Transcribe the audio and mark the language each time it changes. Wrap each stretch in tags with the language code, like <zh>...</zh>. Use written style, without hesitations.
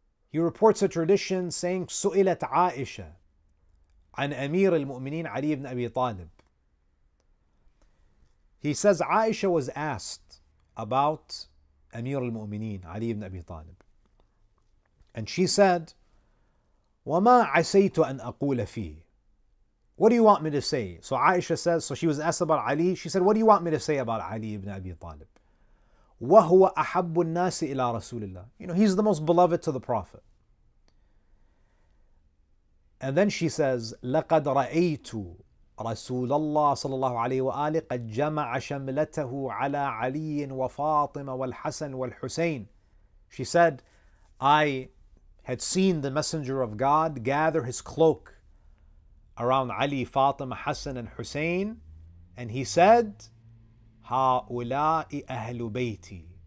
<en>He reports a tradition saying, Su'ilat Aisha, an Amir al-Mu'mineen Ali ibn Abi Talib. He says, Aisha was asked about Amir al-Mu'mineen Ali ibn Abi Talib. And she said,</en> <ar>وَمَا عَسَيْتُ أَنْ أَقُولَ فِيهِ.</ar> <en>What do you want me to say? So Aisha says, so she was asked about Ali. She said, what do you want me to say about Ali ibn Abi Talib?</en> <ar>وَهُوَ أَحَبُّ النَّاسِ إِلَىٰ رَسُولِ اللَّهِ.</ar> <en>You know, he's the most beloved to the Prophet. And then she says,</en> <ar>لَقَدْ رَأَيْتُ رَسُولَ اللَّهِ صَلَى اللَّهُ عَلَيْهِ وَآلِهِ قَدْ جَمَعَ شَمْلَتَهُ عَلَىٰ عَلِيٍّ وَفَاطِمَ وَالْحَسَنِ وَالْحُسَيْنِ.</ar> <en>She said, I had seen the Messenger of God gather his cloak around Ali, Fatima, Hassan, and Hussein, and he said,</en> <ar>هَؤُلَاءِ أَهْلُ بَيْتِي.</ar>